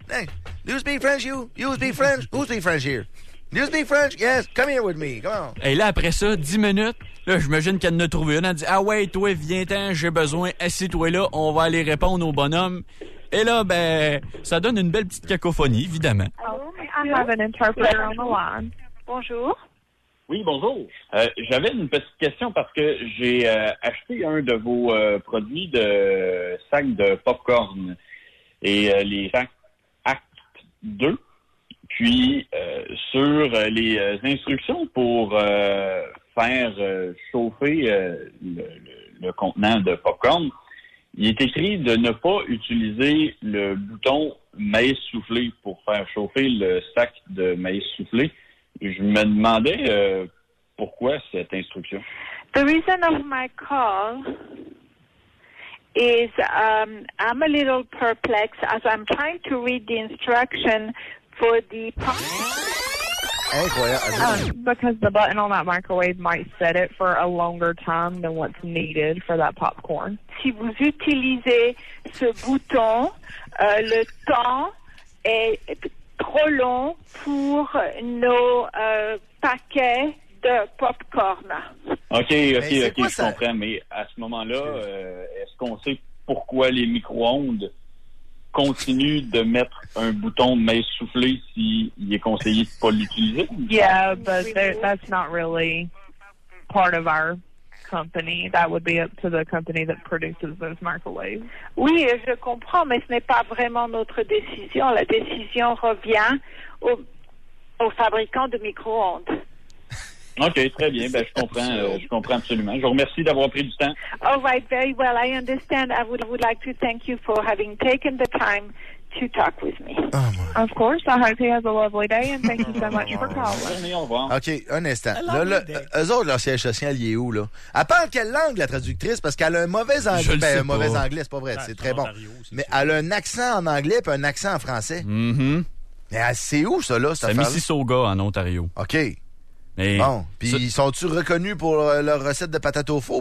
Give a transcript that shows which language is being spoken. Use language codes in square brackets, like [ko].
[en] Hey, you speak French? You speak French? Who speak French here? You speak French? Yes, come here with me, come on. [fr] Et là, après ça, 10 minutes, là, j'imagine qu'elle en a trouvé une. Elle dit, ah ouais, toi, viens-t'en, j'ai besoin, assieds-toi là, on va aller répondre au bonhomme. Et là, ben, ça donne une belle petite cacophonie, évidemment. [en] Oh, I have an interpreter on the line. [fr] Bonjour. Oui, bonjour. J'avais une petite question parce que j'ai acheté un de vos produits de sacs de popcorn et les Act 2. Puis, sur les instructions pour faire chauffer le contenant de popcorn, il est écrit de ne pas utiliser le bouton maïs soufflé pour faire chauffer le sac de maïs soufflé. Je me demandais pourquoi cette instruction. [en] The reason of my call is I'm a little perplexed as I'm trying to read the instruction. For the popcorn. Because the button on that microwave might set it for a longer time than what's needed for that popcorn. [fr] Si vous utilisez ce bouton, le temps est trop long pour nos paquets de popcorn. OK, je comprends. Mais à ce moment-là, est-ce qu'on sait pourquoi les micro-ondes continue de mettre un bouton de maïs soufflé s'il est conseillé de ne pas l'utiliser? [en] Yeah, but that's not really part of our company. That would be up to the company that produces those microwaves. [fr] Oui, je comprends, mais ce n'est pas vraiment notre décision. La décision revient aux fabricants de micro-ondes. OK, très bien. Ben, je comprends absolument. Je vous remercie d'avoir pris du temps. [en] All right, very well. I understand. I would like to thank you for having taken the time to talk with me. Oh, my. Of course. I hope you have a lovely day and thank you so much for calling. [fr] Au revoir. OK, un instant. Là, eux autres, leur siège social, il est où, là? Elle parle quelle langue, la traductrice? Parce qu'elle a un mauvais anglais. Ben, un mauvais anglais, c'est pas vrai. C'est très bon. Ontario, c'est mais elle a un accent en anglais puis un accent en français. Mm-hmm. Mais c'est où, ça, là, cette affaire-là? C'est Mississauga, en Ontario. OK. Et bon, puis ils sont-tu reconnus pour leur recette de patates au four?